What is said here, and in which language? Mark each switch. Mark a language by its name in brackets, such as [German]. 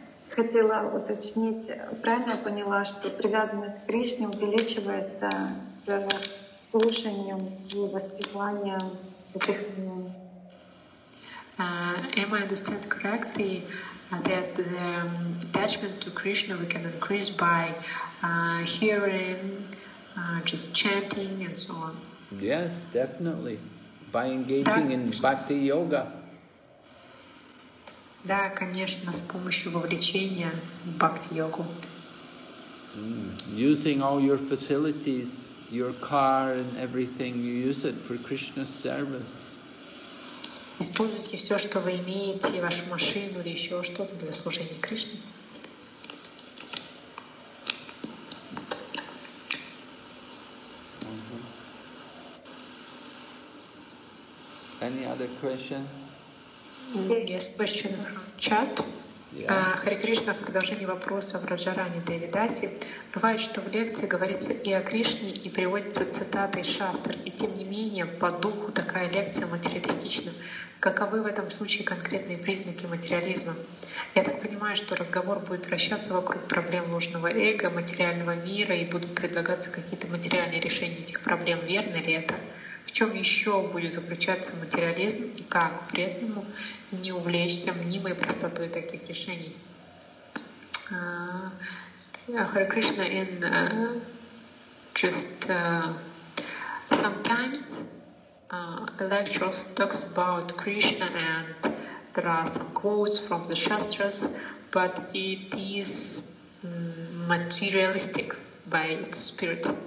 [Russian] Хотела уточнить, правильно я поняла, что привязанность к Кришне увеличивается с слушанием и воспеванием этих имен? [English] Am I understand correctly that the attachment to Krishna we can increase by hearing, just chanting and so on? Yes, definitely. By engaging in bhakti yoga. [Russian] Да, конечно, с помощью вовлечения в бхакти-йогу. Mm. [English] Using all your facilities, your car and everything, you use it for Krishna's service. [Russian] Используйте все, что вы имеете, вашу машину или еще что-то для служения Кришне. [English] Mm-hmm. Any other questions? Yes, question from chat. Yeah. [Russian] Харе Кришна, в продолжении вопроса в Раджарани Деви Даси. Бывает, что в лекции говорится и о Кришне, и приводится цитата из шастр, и тем не менее, по духу такая лекция материалистична. Каковы в этом случае конкретные признаки материализма? Я так понимаю, что разговор будет вращаться вокруг проблем ложного эго, материального мира, и будут предлагаться какие-то материальные решения этих проблем, верно ли это? В чем еще будет заключаться материализм и как при этом не увлечься мнимой простотой таких решений? [English] Hare Krishna, in just sometimes lectures talks about Krishna and there are some quotes from the Shastras, but it is materialistic by its spirit.